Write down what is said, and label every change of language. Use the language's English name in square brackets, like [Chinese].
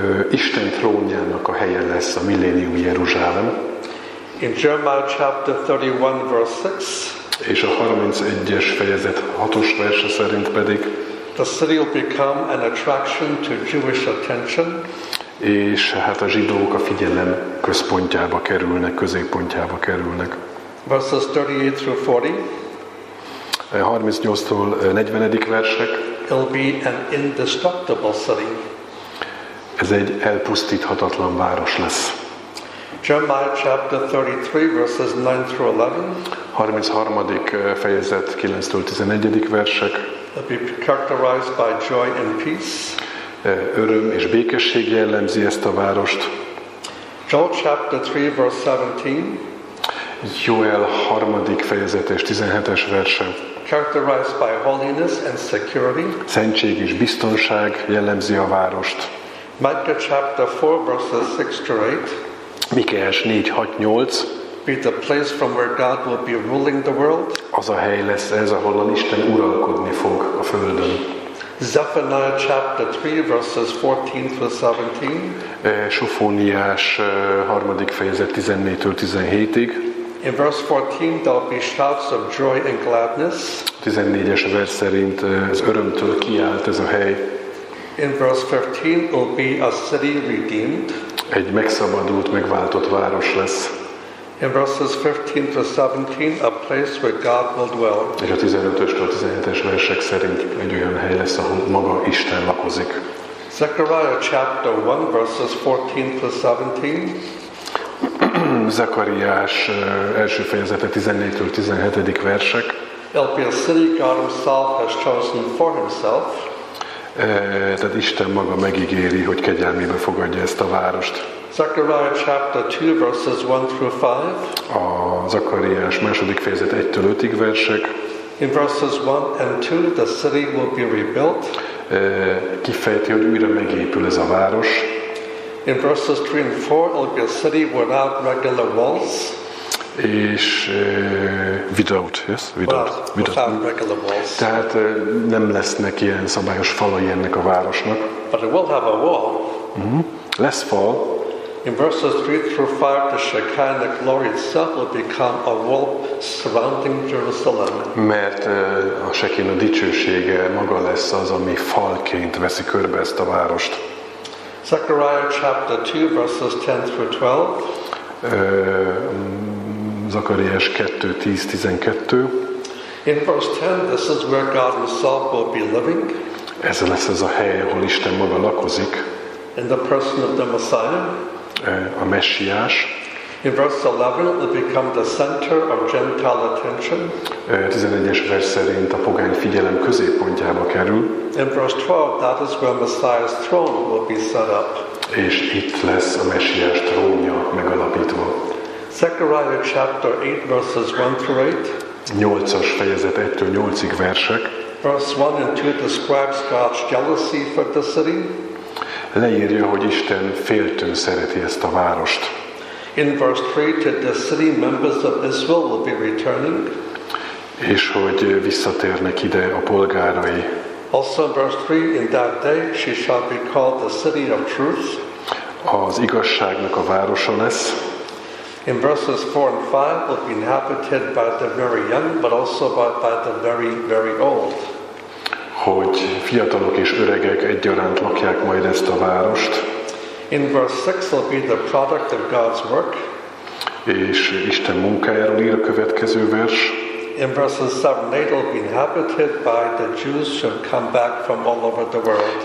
[Hungarian] Isten trónjának a helye lesz a millénium Jeruzsálem. [English] In Jeremiah chapter 31 verse 6. [Hungarian] És a 31-es fejezet 6-os verse szerint pedig. [English] The city will become an attraction to Jewish attention. [Hungarian] És hát a zsidók a figyelem központjába kerülnek, középpontjába kerülnek. [English] Verses 38 through 40. [Hungarian] 38-tól 40. versek. [English] It'll be an indestructible city. [Hungarian] Ez egy elpusztíthatatlan város lesz. [English] Jeremiah chapter 33 verses 9 through 11. [Hungarian] 33. fejezet 9-11. Versek. [English] It'll be characterized by joy and peace. [Hungarian] Öröm és békesség jellemzi ezt a várost. [English] Joel chapter 3 verse 17. [Hungarian] Joel 3. fejezet és 17-es verse. [English] Characterized by holiness and security. [Hungarian] Szentség és biztonság jellemzi a várost. [English] Micah chapter 4 verses 6-8. [Hungarian] Mikéás 4-6-8. [English] Be the place from where God will be ruling the world. [Hungarian] Az a hely lesz ez, ahol Isten uralkodni fog a földön. [English] Zephaniah chapter 3 verses 14 through 17. [Hungarian] Sofóniás 3. fejezet 14-17. [English] In verse 14 there will be shouts of joy and gladness. [Hungarian] 14-es vers szerint az örömtől kiált ez a hely. [English] In verse 15 will be a city redeemed. [Hungarian] Egy megszabadult, megváltott város lesz. [English] In verses 15 to 17, a place where God will dwell. [Hungarian] És a 15-től 17-es versek szerint egy olyan hely lesz, ahol maga Isten lakozik. [English] Zechariah chapter 1, verses 14 to 17. [Hungarian] Zechariah első fejezete 14-től 17. versek. [English] It'll be a city God himself has chosen for himself. [Hungarian] Tehát Isten maga megígéri, hogy kegyelmébe fogadja ezt a várost. [English] Zechariah chapter 2 verses 1 through 5. [Hungarian] A Zakariás második fejezet 1-5 versek. [English] In verses 1 and 2 the city will be rebuilt. [Hungarian] Kifejti, hogy újra megépül ez a város. [English] In verses 3 and 4 it will be a city without regular walls. [Hungarian] És [English] without, yes? Without, well, without regular walls. [Hungarian] Tehát nem lesznek ilyen szabályos falai ennek a városnak. [English] But it will have a wall. [Hungarian] Lesz fal. [English] In verses 3 through 5, the Shekinah glory itself will become a wall surrounding Jerusalem. [Hungarian] Mert a Shekinah dicsősége maga lesz az, ami falként veszi körbe ezt a várost. [English] Zechariah chapter 2, verses 10 through 12. [Hungarian] Zakariás 2, 10-12. [English] In verse 10, this is where God himself will be living. [Hungarian] Ez lesz az a hely, ahol Isten maga lakozik. [English] In the person of the Messiah. [Hungarian] A Messiás. [English] In verse 11 it will become the center of Gentile attention. [Hungarian] 11-es vers szerint a pogány figyelem középpontjába kerül. [English] In verse 12 that is where Messiah's throne will be set up. [Hungarian] És itt lesz a Messiás trónja megalapítva. [English] Zechariah chapter 8 verses 1 through 8. [Hungarian] 8-as fejezet 1-től 8-ig versek. [English] Verse 1 and 2 describes God's jealousy for the city. [Hungarian] Leírja, hogy Isten féltő szereti ezt a várost. [English] In verse 3, that the city members of Israel will be returning. [Hungarian] És hogy visszatérnek ide a polgárai. [English] Also in verse 3, in that day she shall be called the city of truth. [Hungarian] Az igazságnak a városa lesz. [English] In verses 4 and 5, will be inhabited by the very young, but also by the very, very old. [Hungarian] Hogy fiatalok és öregek egyaránt lakják majd ezt a várost. [English] In verse 6 will be the product of God's work. [Hungarian] És Isten munkájáról ír a következő vers. [English] In verses 7 and 8 will be inhabited by the Jews who have come back from all over the world.